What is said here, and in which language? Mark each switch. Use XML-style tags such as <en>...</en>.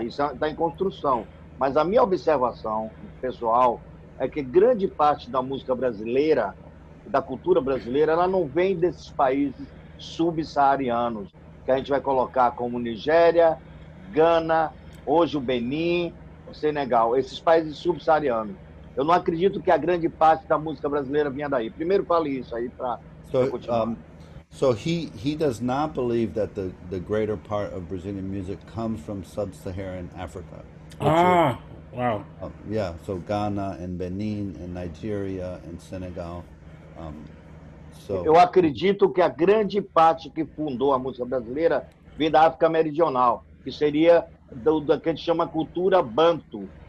<pt>Isso está em construção. Mas a minha observação pessoal é que grande parte da música brasileira, da cultura brasileira, ela não vem desses países subsaarianos, que a gente vai colocar como Nigéria, Gana, hoje o Benin, o Senegal, esses países subsaarianos. Eu não acredito que a grande parte da música brasileira vinha daí. Primeiro fale isso aí para continuar.</pt> <en>So he does not believe that the greater part of Brazilian music comes from sub-Saharan Africa. Yeah, so Ghana and Benin and Nigeria and Senegal.</en> <pt>Eu acredito que a grande parte que fundou a música brasileira vem da África Meridional, que seria do que a gente chama cultura Bantu.</pt>